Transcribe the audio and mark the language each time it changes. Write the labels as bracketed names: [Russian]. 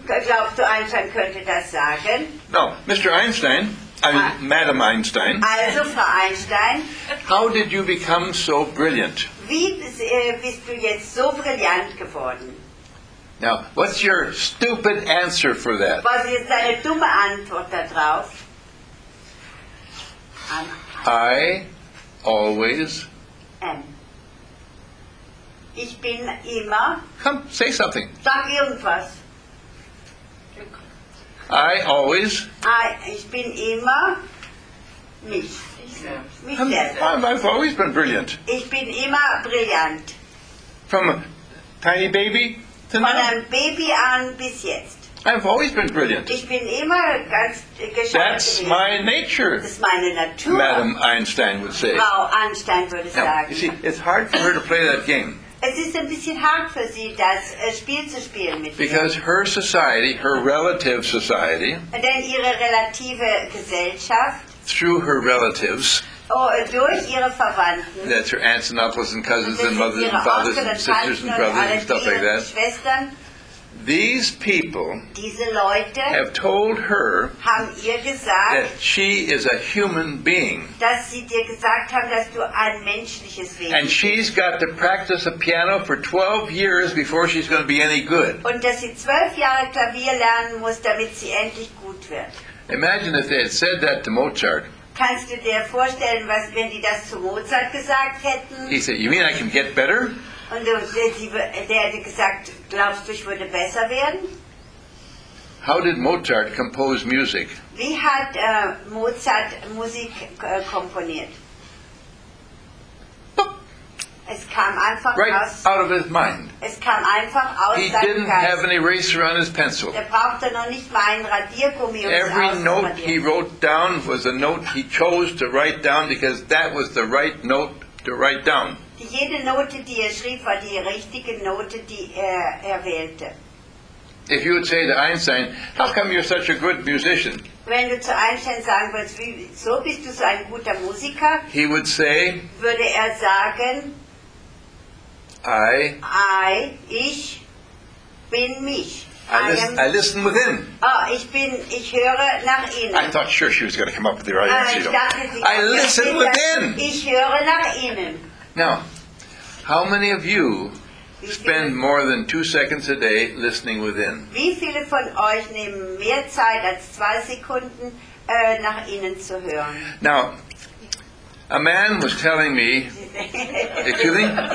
[German] Glaubst du, Einstein könnte das sagen? [English] No, Mr. Einstein, Madam Einstein. [German] Also, Frau Einstein. [English] How did you become so brilliant? [German] Wie bist du jetzt so brillant geworden? [English] Now, what's your stupid answer for that? [German] Was ist deine dumme Antwort darauf? [English] I always [German] am. Ich bin immer. [English] Come, say something. [German] Sag irgendwas. [English] I always. [German] Ich bin immer mich. Ich selbst. [English] I've always been brilliant. [German] Ich bin immer brillant. [English] From a tiny baby. [German] Von einem Baby an bis jetzt. [English] I've always been brilliant. [German] Ich bin immer ganz gescheit. [English] That's [German] gewesen. [English] My nature. [German] Das ist meine Natur. [English] Madam Einstein would say. [German] Frau Einstein würde [English] now, [German] sagen. [English] You see, it's hard for her to play that game. [German] Es ist ein bisschen hart für sie, das Spiel zu spielen mit ihr. [English] Because her society, her relative society. [German] Denn ihre relative Gesellschaft. [English] Through her relatives. [German] Durch ihre Verwandten. [English] That's her aunts and uncles and cousins and mothers and fathers and sisters and brothers and stuff like that. [German] Schwestern. [English] These people [German] diese Leute [English] have told her [German] haben ihr gesagt, [English] that she is a human being. [German] Dass sie dir gesagt haben, dass du ein menschliches Wesen [English] and she's got to practice a piano for 12 years before she's going to be any good. [German] Und dass sie 12 Jahre Klavier lernen muss, damit sie endlich gut wird. [English] Imagine if they had said that to Mozart. [German] Kannst du dir vorstellen, was wenn die das zu Mozart gesagt hätten? [English] He said, "You mean I can get better?" [German] Und der hätte gesagt, glaubst du, ich würde besser werden? [English] How did Mozart compose music? [German] Wie hat Mozart Musik komponiert? Es kam einfach [English] right [German] aus, [English] out of his mind. [German] Es kam einfach aus [English] he didn't [German] Geist. [English] Have an eraser on his pencil. [German] Er brauchte noch nicht mal einen Radiergummi. [English] Every note he wrote down was a note he chose to write down because that was the right note to write down. [German] Jede Note, die er schrieb, war die richtige Note, die er wählte. [English] If you would say to Einstein, how come you're such a good musician? [German] Wenn du zu Einstein sagen würdest, wieso bist du so ein guter Musiker? [English] He would say, [German] würde er sagen, [English] I, [German] ich bin mich. [English] I listen within. [German] Oh, ich höre nach innen. [English] I thought sure she was going to come up with the right answer. I listen within. [German] Ich höre nach innen. [English] Now, how many of you spend more than 2 seconds a day listening within? [German] Wie viele von euch nehmen mehr Zeit als 2 Sekunden nach innen zu hören? [English] Now, a man was telling me, excuse me?